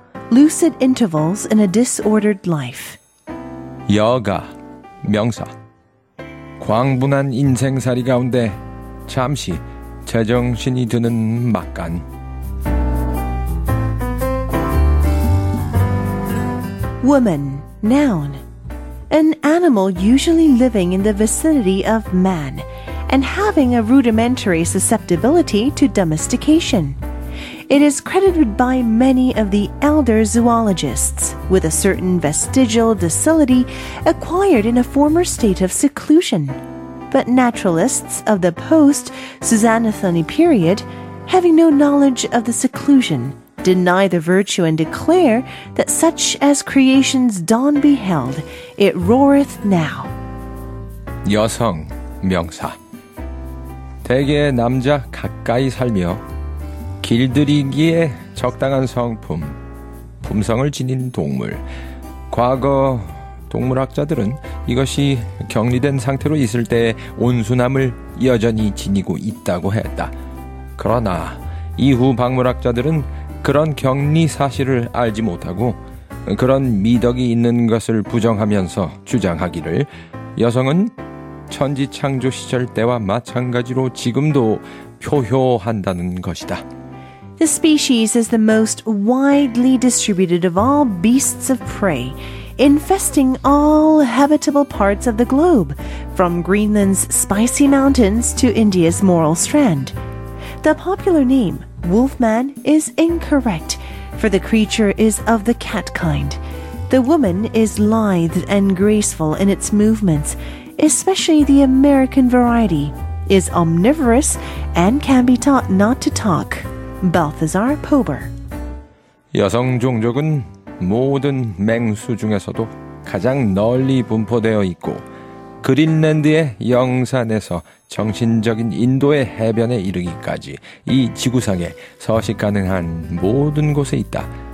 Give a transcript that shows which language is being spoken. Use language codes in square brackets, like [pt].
[en] Lucid intervals in a disordered life. [ko] 여가, 명사. 광분한 인생살이 가운데 잠시 제정신이 드는 막간. [en] Woman, noun. An animal usually living in the vicinity of man and having a rudimentary susceptibility to domestication. It is credited by many of the elder zoologists with a certain vestigial docility acquired in a former state of seclusion. But naturalists of the post-Susanthony period, having no knowledge of the seclusion, deny the virtue and declare that such as creation's dawn beheld, it roareth now. [ko] 여성, 명사. 대개 남자 가까이 살며 길들이기에 적당한 성품, 품성을 지닌 동물. 과거 동물학자들은 이것이 격리된 상태로 있을 때의 온순함을 여전히 지니고 있다고 했다. 그러나 이후 박물학자들은 그런 격리 사실을 알지 못하고 그런 미덕이 있는 것을 부정하면서 주장하기를 여성은 천지창조 시절 때와 마찬가지로 지금도 효효한다는 것이다. [en] The species is the most widely distributed of all beasts of prey, infesting all habitable parts of the globe, from Greenland's spicy mountains to India's Moral Strand. The popular name, Wolfman, is incorrect, for the creature is of the cat kind. The woman is lithe and graceful in its movements, especially the American variety, is omnivorous and can be taught not to talk. Balthazar Pober. [ko] 여성 종족은 모든 맹수 중에서도 가장 널리 분포되어 있고 그린랜드의 영산에서 정신적인 인도의 해변에 이르기까지 이 지구상에 서식 가능한 모든 곳에 있다.